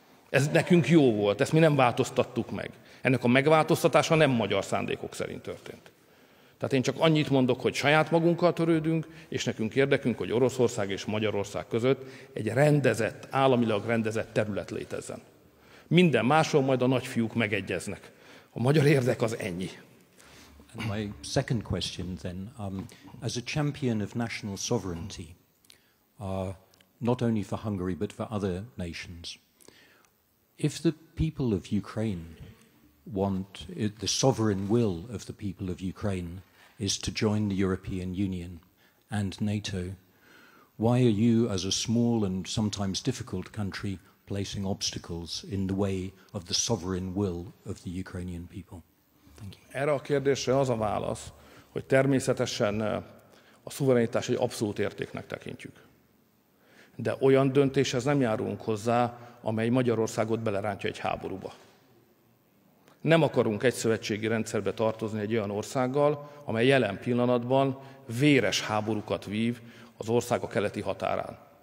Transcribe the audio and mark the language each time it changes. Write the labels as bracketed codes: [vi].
[hu] Ez nekünk jó volt, ezt mi nem változtattuk meg. Ennek a megváltoztatása nem magyar szándékok szerint történt. Tehát én csak annyit mondok, hogy saját magunkkal törődünk, és nekünk érdekünk, hogy Oroszország és Magyarország között egy rendezett, államilag rendezett terület létezzen. Minden máson majd a nagyfiúk megegyeznek. A magyar érdek az ennyi. [en] And my second question then, as a champion of national sovereignty, not only for Hungary but for other nations, if the people of Ukraine want it, the sovereign will of the people of Ukraine is to join the European Union and NATO, why are you, as a small and sometimes difficult country, placing obstacles in the way of the sovereign will of the Ukrainian people? Thank you. [hu] Erre a kérdésre az a válasz, hogy természetesen a szuverenitás egy abszolút értéknek tekintjük. De olyan döntéshez nem járunk hozzá, amely Magyarországot belerántja egy háborúba. Nem akarunk egy szövetségi rendszerbe tartozni egy olyan országgal, amely jelen pillanatban véres háborúkat vív az ország a keleti határán.